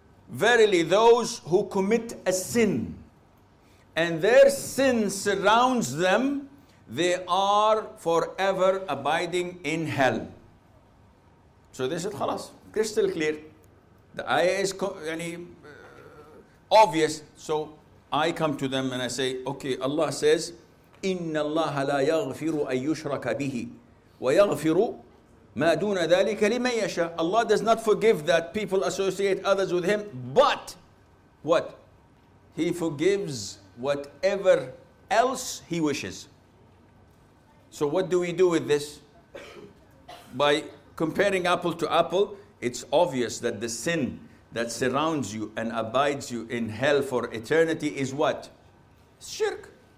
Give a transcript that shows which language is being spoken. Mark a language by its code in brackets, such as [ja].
[en] Verily, those who commit a sin and their sin surrounds them, they are forever abiding in hell. So this is khalas, crystal clear. The ayah is obvious. So I come to them and I say, okay, Allah says, [ar] إِنَّ اللَّهَ لَا يَغْفِرُ أَن يُشْرَكَ بِهِ وَيَغْفِرُ مَا دُونَ ذَلِكَ لِمَنْ يَشَاءَ. [en] Allah does not forgive that people associate others with him, but what? He forgives whatever else he wishes. So what do we do with this? By comparing apple to apple, it's obvious that the sin that surrounds you and abides you in hell for eternity is what? Shirk.